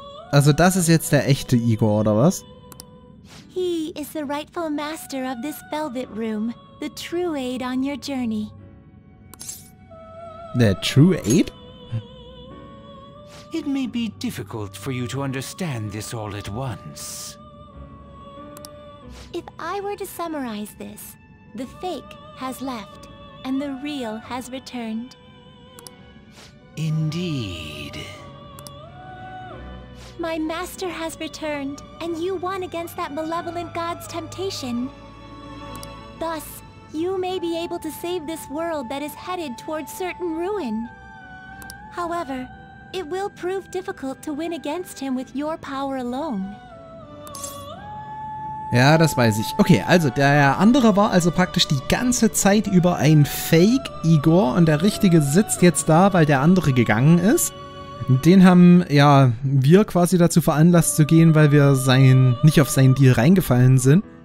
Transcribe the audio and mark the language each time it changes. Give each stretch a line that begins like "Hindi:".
German: Also das ist jetzt der echte Igor, oder was?
English: He is the rightful master of this velvet room, the true aid on your journey. The true aid? It may be difficult for you to understand this all at once. If I were to summarize this, the fake has left and the real has returned. Indeed. My master has returned, and you won against that malevolent god's temptation. Thus, you may be able to save this world that is headed towards certain ruin. However, it will prove difficult to win against him with your power alone.
German: Ja, das weiß ich. Okay, also der andere war also praktisch die ganze Zeit über ein Fake Igor und der Richtige sitzt jetzt da, weil der andere gegangen ist. Den haben, ja, wir quasi dazu veranlasst zu gehen, weil wir nicht auf seinen Deal reingefallen sind.